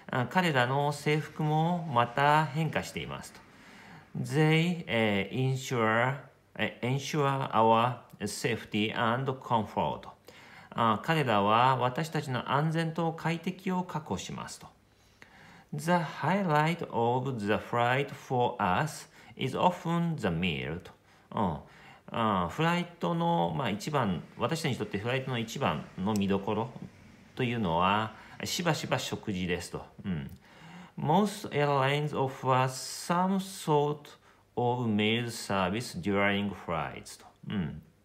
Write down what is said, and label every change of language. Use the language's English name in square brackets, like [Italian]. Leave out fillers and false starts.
[Japanese] 彼らの制服もまた変化していますと。 [English] They ensure our safety and comfort. [Japanese] 彼らは私たちの安全と快適を確保しますと。 [English] The highlight of the flight for us is often the meal. [Japanese] と、フライトの、まあ、一番、私たちにとってフライトの一番の見どころというのは、しばしば食事ですと、うん。 [English] Most airlines offer some sort of meal service during flights [Japanese] と、うん。